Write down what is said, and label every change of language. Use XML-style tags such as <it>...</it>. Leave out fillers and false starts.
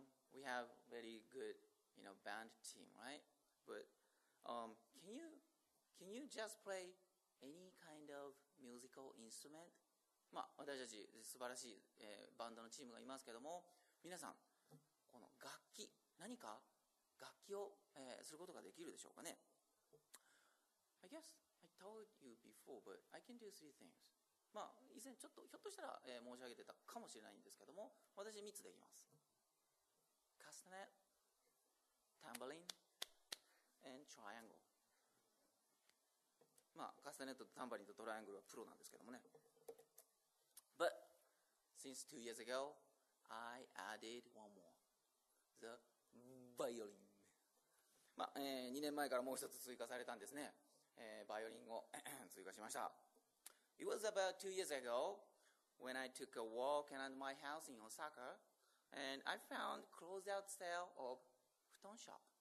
<en>We have very good, you know, band team, right? But can you just play any kind of musical instrument?</en> <ja>まあ、私たち素晴らしい、バンドのチームがいますけども、皆さんこの楽器、何か楽器を、することができるでしょうかね。</ja> <en>I guess I told you before, but I can do three things.</en> <ja>まあ、以前ちょっとひょっとしたら、申し上げてたかもしれないんですけども、私3つできます。</ja> <en>Castanet, tambourine, and triangle.</en> <ja>まあ、カスタネット、タンバリンとトライアングルはプロなんですけどもね。</ja> <en>But since 2 years ago, I added one more. The violin.</en> <ja>まあ、2年前からもう一つ追加されたんですね。バイオリンを追加しました。</ja> <en>It was about 2 years ago when I took a walk around my house in Osaka and I found closeout sale of 布団ショップ。</en>